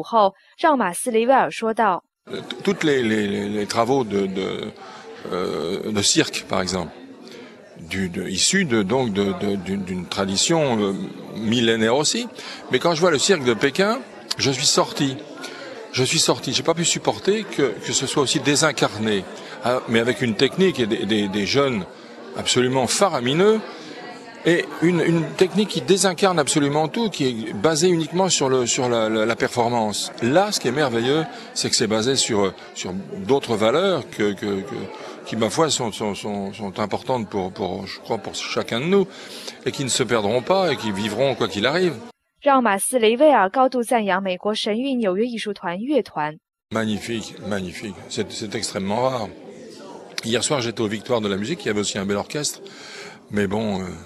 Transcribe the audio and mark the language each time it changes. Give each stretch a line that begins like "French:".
Chinese: 从演出中知道了原来杂技起源于中国古典舞后，让马斯·雷威尔说道：
French: Toutes les travaux de cirque, par exemple, issus d'une tradition millénaire aussi. Mais quand je vois le cirque de Pékin, je suis sorti. J'ai pas pu supporter que ce soit aussi désincarné, mais avec une technique et des jeunes absolument faramineux. Et une technique qui désincarne absolument tout, qui est basée uniquement sur la performance. Là, ce qui est merveilleux, c'est que c'est basé sur d'autres valeurs qui, ma foi, sont importantes pour chacun de nous, et qui ne se perdront pas et qui vivront quoi qu'il arrive.
Chinese: 让马斯·雷威尔高度赞扬美国神韵纽约艺术团乐团.
French: Magnifique, magnifique. C'est extrêmement rare. Hier soir, j'étais aux Victoires de la musique, il y avait aussi un bel orchestre, mais bon.